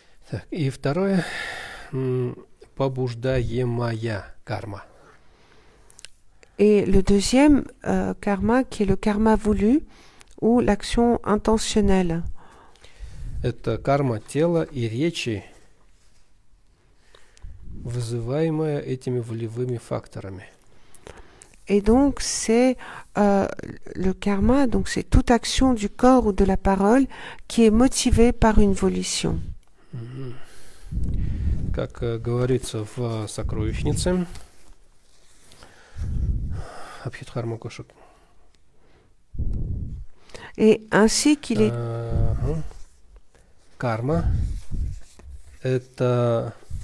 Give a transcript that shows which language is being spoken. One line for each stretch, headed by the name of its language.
Russian: Так, и второе, побуждаемая карма.
French: Et le deuxième karma, qui est le karma voulu ou l'action intentionnelle.
Russian: Это карма тела и речи, вызываемая этими волевыми факторами.
French: Et donc, c'est le karma, donc c'est toute action du corps ou de la parole qui est motivée par une volition.
Russian: Как говорится в «Сокровищнице», Абхидхарма Кошек.
French: Et ainsi qu'il est.
Russian: Карма – это